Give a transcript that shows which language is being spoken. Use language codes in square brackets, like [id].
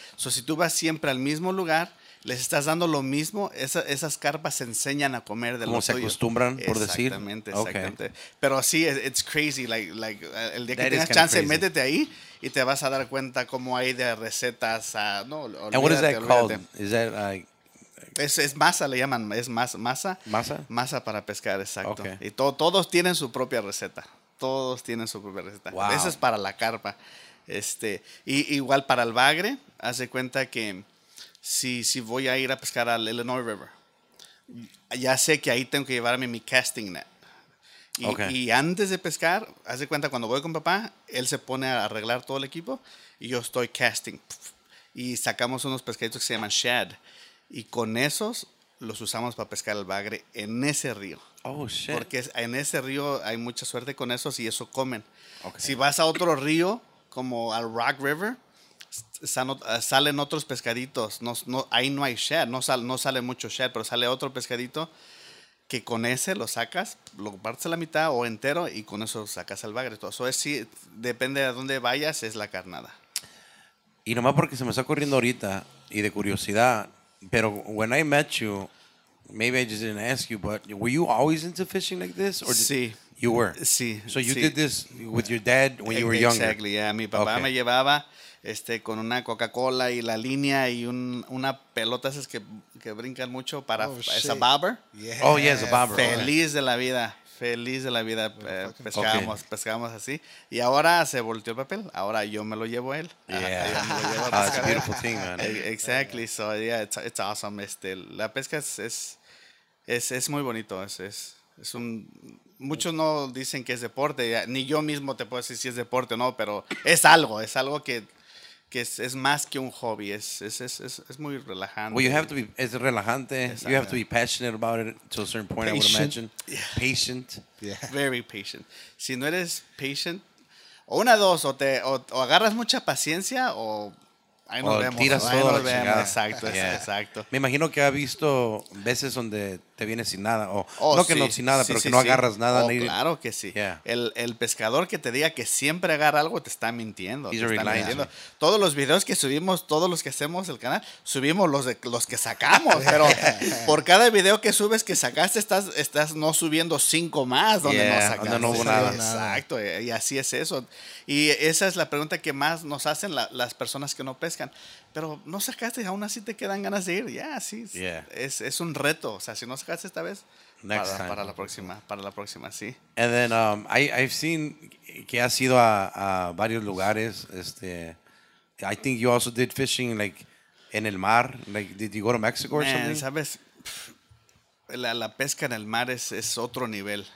[es] So, si tú vas siempre al mismo lugar, les estás dando lo mismo, esas carpas se enseñan a comer de lo tuyo. Como se acostumbran, por decir. Exactamente, exactamente. Okay. Pero sí, [en] it's crazy. [es] Like el día que tengas chance, métete ahí y te vas a dar cuenta cómo hay de recetas. No, olvídate. [en] And what is that called? Is that like... [es] Es masa, le llaman. Es masa. ¿Masa? Masa para pescar, exacto. Okay. Y todos tienen su propia receta. Todos tienen su propia receta. [en] Wow. [es] Esa es para la carpa. Y igual para el bagre, haz de cuenta que... Si voy a ir a pescar al Illinois River, ya sé que ahí tengo que llevarme mi casting net. Y antes de pescar, haz de cuenta, cuando voy con papá, él se pone a arreglar todo el equipo y yo estoy casting. Y sacamos unos pescaditos que se llaman shad. Y con esos los usamos para pescar el bagre en ese río. [en] Oh, shit. [es] Porque en ese río hay mucha suerte con esos y eso comen. [en] Okay. [es] Si vas a otro río, como al Rock River, salen otros pescaditos, no, ahí no hay shad, no sale mucho shad, pero sale otro pescadito que con ese lo sacas, lo partes a la mitad o entero y con eso sacas el bagre. Eso es, sí, depende de dónde vayas, es la carnada. Y nomás porque se me está ocurriendo ahorita y de curiosidad, pero [en] when I met you, maybe I just didn't ask you, but were you always into fishing like this? [es] Sí. [en] You were? [es] Sí. [en] So you [es] sí. [en] did this with your dad when you were younger? Exactly, yeah. [es] Mi papá okay. me llevaba... con una Coca-Cola y la línea y una pelota esas que brincan mucho para... [en] Oh, es a bobber. Yes. Oh, yeah, es a bobber. [es] Feliz de la vida. Feliz de la vida. Pescábamos así. Y ahora se volteó el papel. Ahora yo me lo llevo a él. [en] Yeah. It's a beautiful thing, man. Exactly. So, yeah, it's awesome. [es] La pesca es muy bonito. Es un... Muchos no dicen que es deporte. Ni yo mismo te puedo decir si es deporte o no, pero es algo que es más que un hobby, es muy relajante. [en] Well, you have to be, [es] es relajante. [en] Exacto. You have to be passionate about it to a certain point, patient. I would imagine. Yeah. Patient. Yeah. Very patient. [es] Si no eres patient, o una, dos, o agarras mucha paciencia, o ahí nos vemos. Tiras todo, exacto, yeah. Exacto. Me imagino que ha visto veces donde te vienes sin nada. O no agarras nada. Oh, claro que sí. Yeah. El pescador que te diga que siempre agarra algo te está mintiendo. Todos los videos que subimos, todos los que hacemos el canal, subimos los que sacamos. Pero por cada video que subes que sacaste, estás no subiendo 5 más donde no sacaste. Donde no hubo nada. Exacto. Y así es eso. Y esa es la pregunta que más nos hacen las personas que no pescan. Pero no sacaste, aún así te quedan ganas de ir. Ya, yeah, sí. [en] Yeah. [es] Es un reto. O sea, si no sacaste esta vez, para la próxima. Para la próxima, sí. [en] And then I've seen [es] que has ido a varios lugares. [en] I think you also did fishing like [es] en el mar. [en] Like, did you go to Mexico or something? [es] ¿Sabes? La pesca en el mar es otro nivel.